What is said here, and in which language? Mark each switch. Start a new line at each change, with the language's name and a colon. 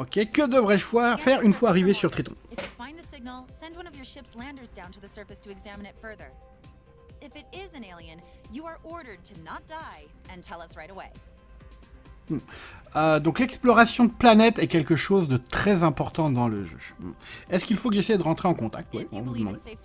French: Ok, que devrais-je faire une fois arrivé sur Triton?
English: If you find the signal, send one of your ship's landers down to the surface to examine it further. If it is an alien, you are ordered to not die and tell us right away.
French: Donc l'exploration de planètes est quelque chose de très important dans le jeu. Est-ce qu'il faut que j'essaie de rentrer en contact? Oui, on va vous demander.